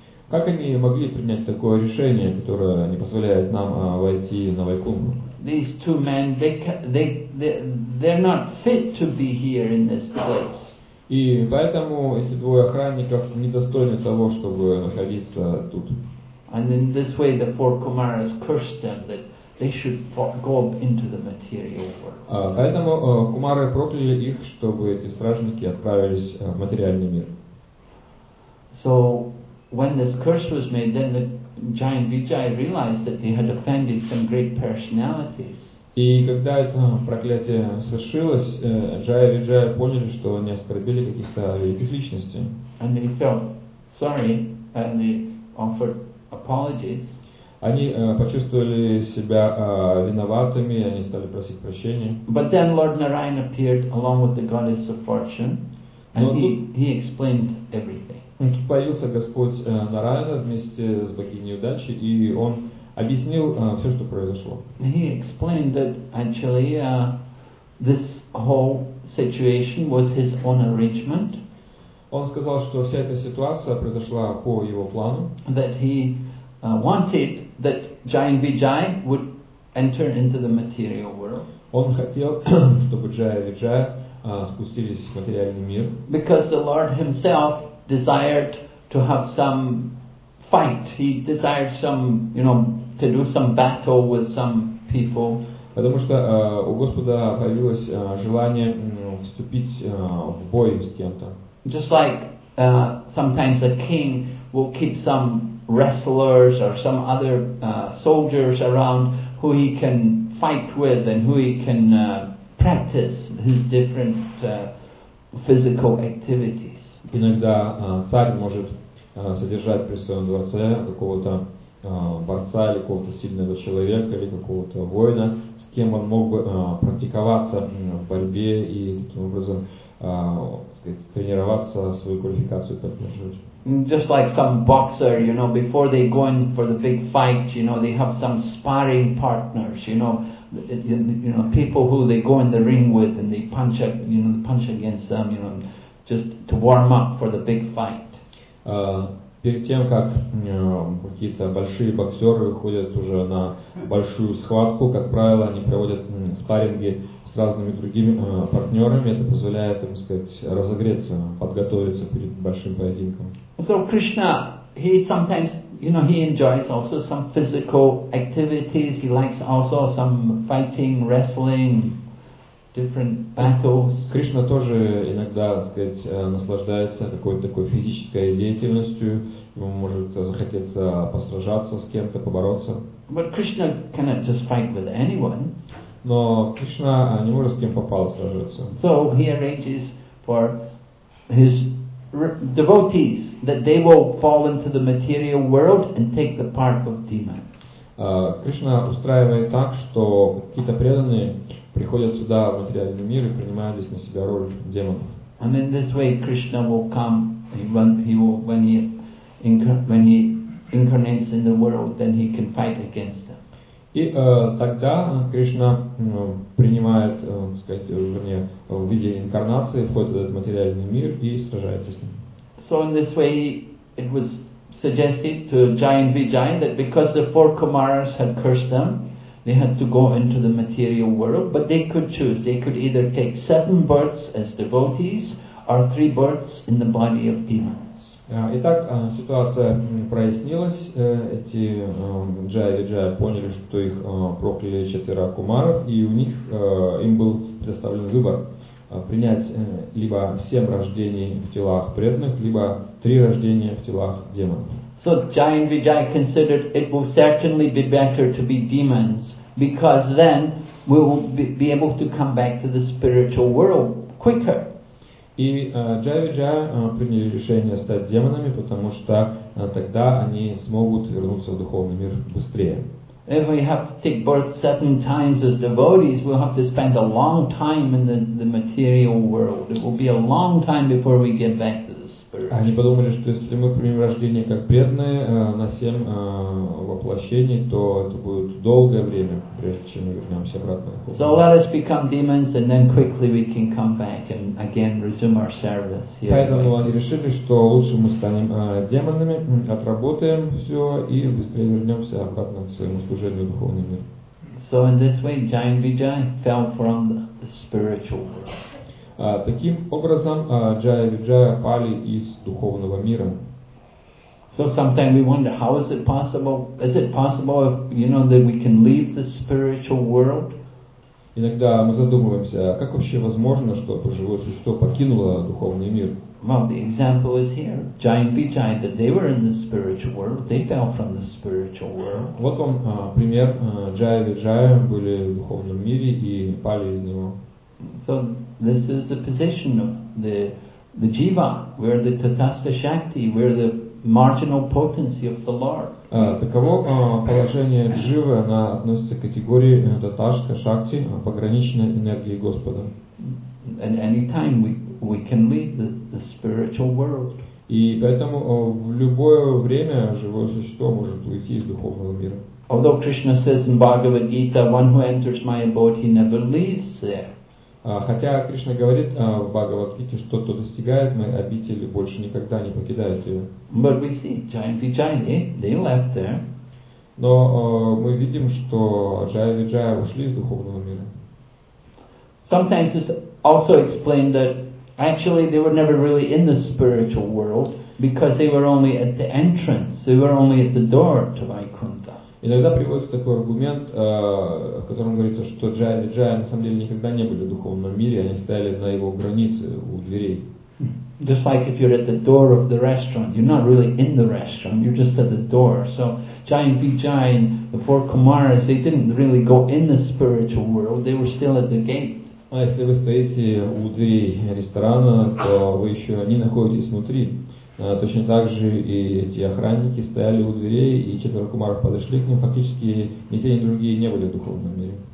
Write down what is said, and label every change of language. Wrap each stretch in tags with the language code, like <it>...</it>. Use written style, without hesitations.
<ru>Как они могли принять такое решение, которое не позволяет нам войти на Вайкунтху?</ru> <en>These two men, they're not fit to be here in this place.</en> <ru>И поэтому эти двое охранников недостойны того, чтобы находиться тут.</ru> <en>And in this way, the four Kumaras cursed them that they should go into the material world.</en> <ru>Поэтому Кумары прокляли их, чтобы эти стражники отправились в материальный мир.</ru> <en>So when this curse was made, then the giant Vijay realized that he had offended some great personalities.</en> <ru>И когда это проклятие совершилось, Джая и Виджая поняли, что они оскорбили каких-то великих личностей.</ru> <en>And they felt sorry, and they offered apologies.</en> <ru>Они почувствовали себя виноватыми, они стали просить прощения.</ru> <en>But then Lord Narayan appeared along with the goddess of fortune, and he explained everything.</en> <ru>Тут появился Господь Нараяна вместе с богиней удачи, и он объяснил все, что произошло.</ru> <en>He explained that actually this whole situation was his own arrangement.</en> <ru>Он сказал, что вся эта ситуация произошла по его плану.</ru> <en>That he wanted that Jayan Vijay would enter into the material world.</en> <ru>Он хотел, чтобы Джая и Виджая спустились в материальный мир.</ru> <en>Because the Lord himself desired to have some fight. He desired some, you know, to do some battle with some people.</en> <ru>Потому что у Господа появилось желание вступить в бой с кем-то.</ru> <en>Just like sometimes a king will keep some wrestlers or some other soldiers around who he can fight with and who he can practice his different physical activities.</en> <ru>Иногда царь может содержать при своем дворце какого-то борца или какого-то сильного человека или какого-то воина, с кем он мог бы практиковаться в борьбе и таким образом тренироваться, свою квалификацию поддерживать.</ru> <en>Just like some boxer, you know, before they go in for the big fight, you know, they have some sparring partners, you know, people who they go in the ring with and they punch, you know, punch against them, you know, just to warm up for the big fight.</en> <ru>Перед тем, как какие-то большие боксеры выходят уже на большую схватку, как правило, они проводят спарринги с разными другими партнерами. Это позволяет им, так сказать, разогреться, подготовиться перед большим поединком.</ru> <en>So Krishna, he sometimes, you know, he enjoys also some physical activities. He likes also some fighting, wrestling, different battles.</en> <ru>Кришна тоже иногда, так сказать, наслаждается какой-то такой физической деятельностью. Ему может захотеться посражаться с кем-то, побороться.</ru> <en>But Krishna cannot just fight with anyone.</en> <ru>Но Кришна не может с кем попало сражаться.</ru> <en>So he arranges for his devotees that they will fall into the material world and take the part of demons.</en> <ru>Кришна устраивает так, что какие-то преданные приходят сюда в материальный мир и принимают здесь на себя роль демонов.</ru> <en>And in this way, Krishna will come. When he incarnates in the world, then he can fight against them.</en> <ru>И тогда Кришна принимает, вернее, в виде инкарнации, входит в этот материальный мир и сражается с ним.</ru> <en>So in this way, it was suggested to Jayan Vijay that because the four Kumaras had cursed them, they had to go into the material world, but they could choose. They could either take 7 births as devotees or 3 births in the body of demons.</en> <ru>Итак, ситуация прояснилась. Эти Джая и Виджая поняли, что их прокляли 4 кумаров, и у них им был предоставлен выбор принять либо 7 рождений в телах преданных, либо 3 рождения в телах демонов.</ru> <en>So Jaya and Vijaya considered it will certainly be better to be demons, because then we will be able to come back to the spiritual world quicker.</en> <ru>И Jaya and Vijaya приняли решение стать демонами, потому что тогда они смогут вернуться в духовный мир быстрее.</ru> <en>If we have to take birth 7 times as devotees, we'll have to spend a long time in the material world. It will be a long time before we get back to.</en> <ru>Они подумали, что если мы примем рождение как преданные на 7 воплощений, то это будет долгое время, прежде чем мы вернемся обратно.</ru> <en>So let us become demons, and then quickly we can come back and again resume our service.</en> <ru>Поэтому они решили, что лучше мы станем демонами, отработаем все и быстрее вернемся обратно к своему служению духовному миру.</ru> <en>So in this way, Jayan Vijay fell from the spiritual world.</en> <ru>Таким образом, Джая и Виджая пали из духовного мира.</ru> <en>So sometimes we wonder, how is it possible? Is it possible, if, you know, that we can leave the spiritual world?</en> <ru>Иногда мы задумываемся, как вообще возможно, чтобы живое существо покинуло духовный мир?</ru> <en>Well, the example is here. Jaya and Vijaya, that they were in the spiritual world, they fell from the spiritual world.</en> <ru>Вот вам пример. Джая и Виджая были в духовном мире и пали из него.</ru> <en>So this is the position of the jiva, we're the tatastha shakti, we're the marginal potency of the Lord.</en> <ru>Таково положение дживы, она относится к категории таташтха шакти, пограничной энергии Господа.</ru> <en>And any time we can leave the spiritual world.</en> <ru>И поэтому в любое время живое существо может уйти из духовного мира.</ru> <en>Although Krishna says in Bhagavad Gita, one who enters my abode, he never leaves there.</en> <ru>Хотя Кришна говорит в Бхагавад-гите, что кто достигает моей обители, больше никогда не покидает ее.</ru> <en>But we see Jaya and Vijaya, they left there.</en> <ru>Но мы видим, что Jaya and Vijaya ушли из духовного мира.</ru> <en>Sometimes it's also explained that actually they were never really in the spiritual world, because they were only at the entrance, they were only at the door to Vaikuntha.</en> <ru>Иногда приводится такой аргумент, в котором говорится, что Джая и Виджая на самом деле никогда не были в духовном мире, они стояли на его границе, у дверей.</ru> <en>Just like if you're at the door of the restaurant, you're not really in the restaurant, you're just at the door. So Jaya and Vijaya and the four Kumaras, they didn't really go in the spiritual world, they were still at the gate.</en> <ru>А если вы стоите у дверей ресторана, то вы еще не находитесь внутри. Точно так же и эти охранники стояли у дверей, и четверо кумаров подошли к ним. Фактически ни те, ни другие не были в духовном мире.</ru>